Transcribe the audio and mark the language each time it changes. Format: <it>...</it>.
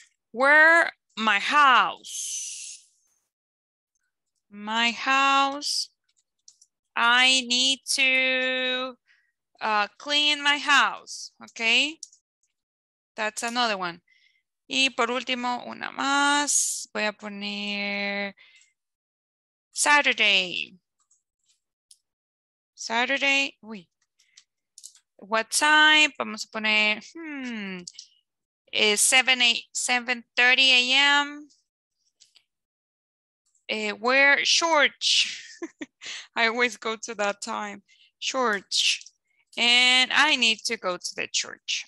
<en>Where my house, I need to clean my house, okay? That's another one.</en> <es>Y por último, una más, voy a poner Saturday, uy.</es> <en>What time,</en> <es>vamos a poner,</es> <en>is 7:30 a.m. Where church? I always go to that time. Church. And I need to go to the church.</en>